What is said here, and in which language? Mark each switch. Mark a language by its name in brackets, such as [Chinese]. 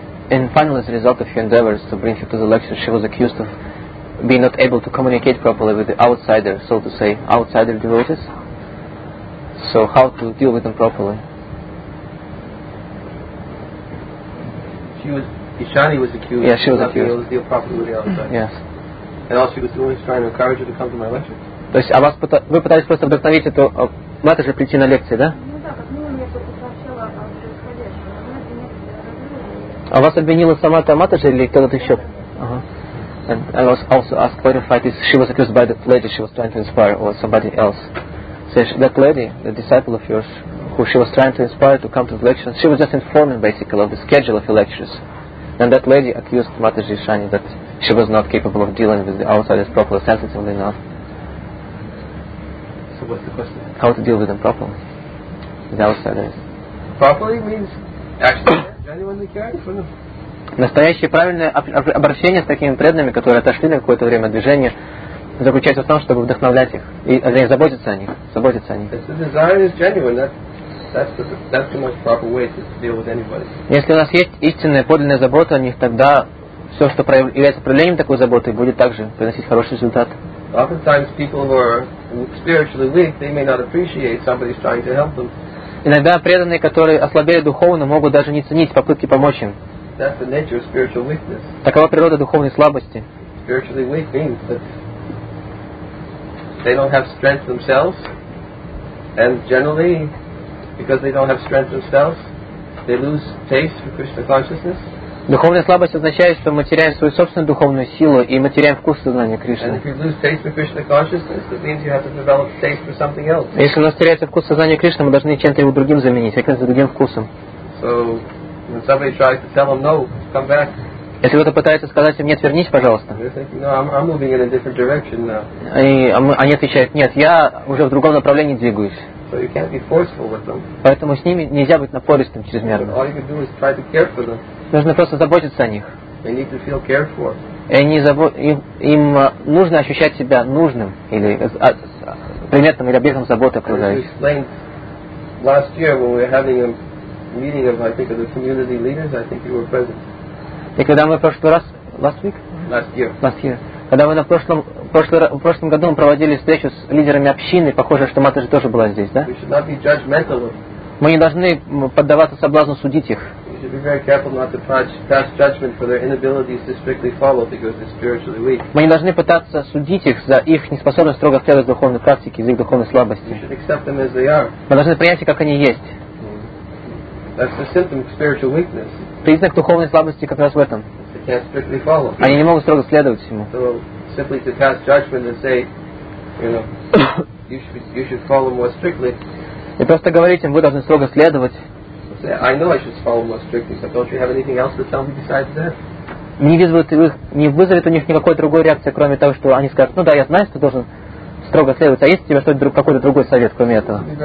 [English] And finally, as a result of her endeavors to bring her to the lecture, she was accused of being not able to communicate properly with the outsider, so to say, outsider devotees. So how to deal with them properly? Ishani was accused. Yeah, she was accused. Not being able to deal properly with the outside. Yes. And all she was doing was trying to encourage her to come to my lecture. [Russian] То есть, а вас вы пытались просто вдохновить эту матушку прийти на лекции, да? Ну да, как минимум я только сообщала о происходящем. А вас обвинила сама та матушка или кто-то еще? [English] And I was also asked quite a fight. She was accused by the lady she was trying to inspire, or somebody else. So that lady, the disciple of yours, who she was trying to inspire to come to the lectures, she was just informing basically of the schedule of the lectures. And that lady accused Mataji Ishani that she was not capable of dealing with the outsiders properly, sensitively enough. So what's the question? How to deal with them properly, with the outsiders. Properly means actually genuinely caring for them. [Russian] Настоящее правильное обращение с такими преданными, которые отошли на какое-то время движения, заключается в том, чтобы вдохновлять их и заботиться о них. Если у нас есть истинная, подлинная забота о них, тогда все, что является проявлением такой заботы, будет также приносить хороший результат. Иногда преданные, которые ослабели духовно, могут даже не ценить попытки помочь им. [English] That's the nature of spiritual weakness. [Russian] Такова природа духовной слабости. [English] Spiritually weak means that they don't have strength themselves, and generally, because they don't have strength themselves, they lose taste for Krishna consciousness. [Russian] Духовная слабость означает, что мы теряем свою собственную духовную силу и мы теряем вкус сознания Кришны. [English] And if you lose taste for Krishna consciousness, that means you have to develop taste for something else. [Russian] Если у нас теряется вкус сознания Кришны, мы должны чем-то его другим заменить, каким-то другим вкусом. [English] So. When somebody tries to tell him no, come back. [Russian] Если кто-то пытается сказать им нет, вернись, пожалуйста. [English] They're thinking, no, I'm moving in a different direction now. [Russian] Они отвечают нет, я уже в другом направлении двигаюсь. [English] So you can't be forceful with them. [Russian] Поэтому с ними нельзя быть напористым чрезмерно. [English] All you can do is try to care for them. [Russian] Нужно просто заботиться о них. [English] They need to feel cared for. [Russian] И они им нужно ощущать себя нужным или предметом или объектом заботы окружающих. [English] Last year when we were having a meeting of, I think, of the community leaders, I think you were present. [Russian] И когда мы в прошлый раз, [English] last week? Last year. [Russian] Когда мы в прошлом году мы проводили встречу с лидерами общины, похоже, что Матаджи тоже была здесь, да? [English] We should not be judgmental. [Russian] Мы не должны поддаваться соблазну судить их. [English] We should be very careful not to pass judgment for their inabilities to strictly follow because they're spiritually weak. [Russian] Мы не должны пытаться судить их за их неспособность строго следовать духовной практике, за их духовной слабости. [English] We should accept them as they are. [Russian] Мы должны принять их, как они есть. [English] That's a symptom of spiritual weakness. [Russian] Признак духовной слабости как раз в этом. [English] They can't strictly follow. [Russian] Они не могут строго следовать ему. [English] So simply to pass judgment and say, you know, you should follow more strictly. [Russian] И просто говорить им, вы должны строго следовать. [English] I know I should follow more strictly, but don't you have anything else to tell me besides that? [Russian] Не вызовет у них никакой другой реакции, кроме того, что они скажут, ну да, я знаю, что должен строго следовать, а есть у тебя какой-то другой совет, кроме этого?